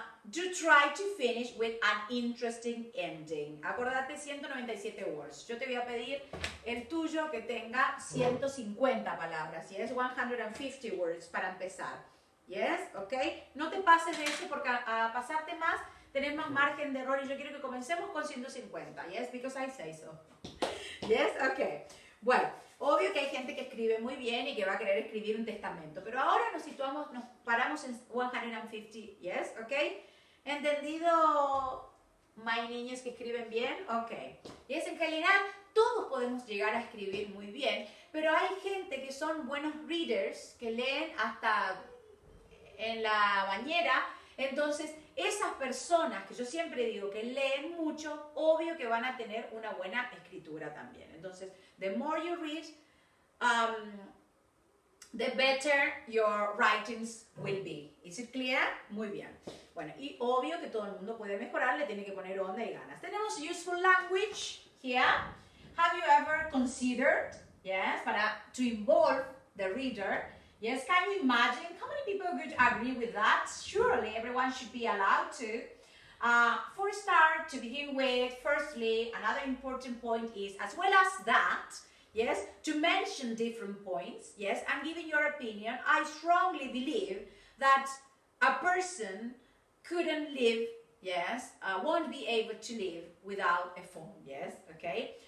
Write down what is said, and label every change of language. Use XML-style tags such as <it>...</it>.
<en>Do try to finish with an interesting ending.</en> <es>Acordate, 197 words. Yo te voy a pedir el tuyo que tenga 150 palabras.</es> <en>Yes, 150 words</en> <es>para empezar.</es> <en>Yes, okay.</en> <es>No te pases de eso porque a pasarte más, tenés más margen de error y yo quiero que comencemos con 150.</es> <en>Yes, because I say so.</en> <es>Yes, okay. Bueno, obvio que hay gente que escribe muy bien y que va a querer escribir un testamento, pero ahora nos situamos, nos paramos en 150. Yes, okay. ¿Entendido, my niños que escriben bien? Okay. Yes, en general, todos podemos llegar a escribir muy bien, pero hay gente que son buenos readers, que leen hasta en la bañera, entonces esas personas que yo siempre digo que leen mucho, obvio que van a tener una buena escritura también.</es> <en>Entonces, the more you read, the better your writings will be. Is it clear?</en> <es>Muy bien. Bueno, y obvio que todo el mundo puede mejorar, le tiene que poner onda y ganas.</es> <en>Tenemos useful language here. Have you ever considered, yes, to involve the reader? Yes, can you imagine how many people would agree with that? Surely everyone should be allowed to. For a start, to begin with, firstly, another important point is, as well as that, yes, to mention different points, yes, and giving your opinion, I strongly believe that a person couldn't live, yes, won't be able to live without a phone, yes, okay?</en>